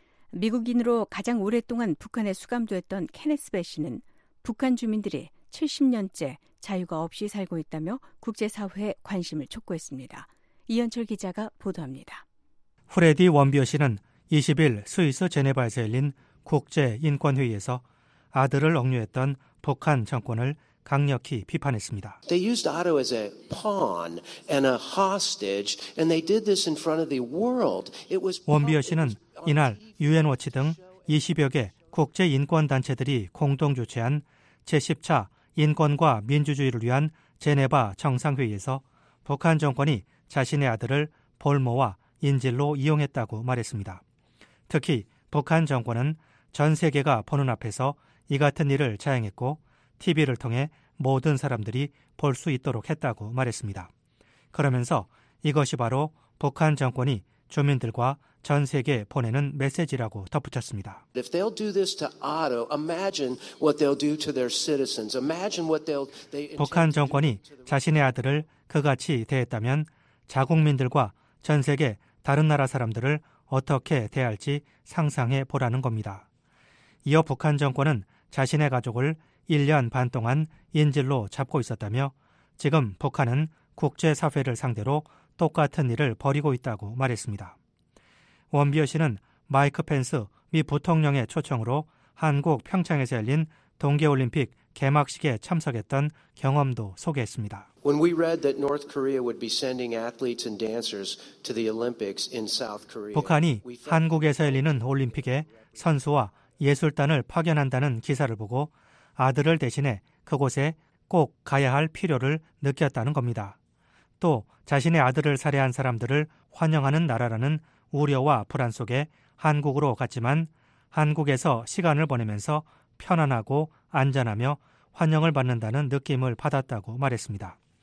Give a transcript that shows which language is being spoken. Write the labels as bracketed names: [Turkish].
[Korean] 미국인으로 가장 오랫동안 북한에 수감됐던 케네스 베 씨는 북한 주민들이 70년째 자유가 없이 살고 있다며 국제사회의 관심을 촉구했습니다. 이현철 기자가 보도합니다. 프레디 원비어 씨는 20일 스위스 제네바에서 열린 국제인권회의에서 아들을 억류했던 북한 정권을 강력히 비판했습니다. [English] They used Otto as a pawn and a hostage, and they did this in front of the world. It was [Korean] 원비어 씨는 이날 UN 워치 등 20여 개 국제 인권 단체들이 공동 주최한 제10차 인권과 민주주의를 위한 제네바 정상회의에서 북한 정권이 자신의 아들을 볼모와 인질로 이용했다고 말했습니다. 특히 북한 정권은 전 세계가 보는 앞에서 이 같은 일을 자행했고 TV를 통해 모든 사람들이 볼 수 있도록 했다고 말했습니다. 그러면서 이것이 바로 북한 정권이 주민들과 전 세계에 보내는 메시지라고 덧붙였습니다. [English] If they'll do this to Otto, imagine what they'll do to their citizens. Imagine what they'll they [Korean] 북한 정권이 자신의 아들을 그같이 대했다면 자국민들과 전 세계 다른 나라 사람들을 어떻게 대할지 상상해 보라는 겁니다. 이어 북한 정권은 자신의 가족을 1년 반 동안 인질로 잡고 있었다며 지금 북한은 국제사회를 상대로 똑같은 일을 벌이고 있다고 말했습니다. 원비어 씨는 마이크 펜스 미 부통령의 초청으로 한국 평창에서 열린 동계올림픽 개막식에 참석했던 경험도 소개했습니다. [English] When we read that North Korea would be sending athletes and dancers to the Olympics in South Korea. [Korean] 북한이 한국에서 열리는 올림픽에 선수와 예술단을 파견한다는 기사를 보고 아들을 대신해 그곳에 꼭 가야 할 필요를 느꼈다는 겁니다. 또 자신의 아들을 살해한 사람들을 환영하는 나라라는 우려와 불안 속에 한국으로 갔지만 한국에서 시간을 보내면서 편안하고 안전하며 환영을 받는다는 느낌을 받았다고 말했습니다.